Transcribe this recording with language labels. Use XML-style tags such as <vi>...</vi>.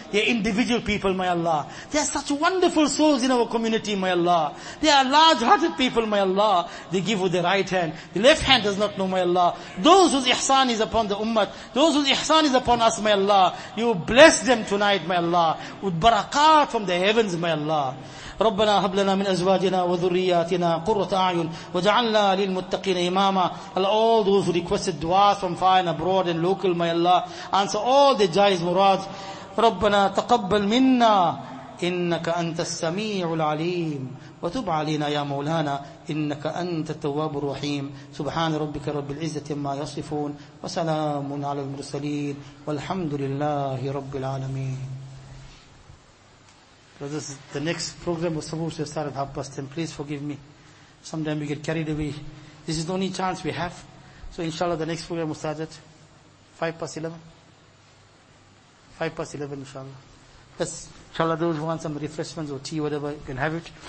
<en>They are individual people, my Allah. They are such wonderful souls in our community, my Allah. They are large-hearted people, my Allah. They give with the right hand. The left hand does not know, my Allah. Those whose ihsan is upon the ummah, those whose ihsan is upon us, my Allah, you bless them. them tonight, my Allah, with barakat from the heavens, my Allah.</en> <ar>ربنا هب لنا من ازواجنا وذرياتنا قرة اعين وجعلنا للمتقين اماما.</ar> <en>All those who requested duas from far and abroad and local, my Allah, answer all the jais murads.</en> <ar>ربنا تقبل منا انك انت السميع العليم وتب علينا يا مولانا انك انت التواب الرحيم. سبحان ربك رب العزة ما يصفون وسلام على المرسلين والحمد لله رب العالمين.</ar> <en>Brothers, the next program was supposed to start at 10:30. Please forgive me. Sometimes we get carried away. This is the only chance we have. So inshallah the next program will start at 11:05. 11:05 inshallah. Yes, inshallah those who want some refreshments or tea, whatever, you can have it.</en>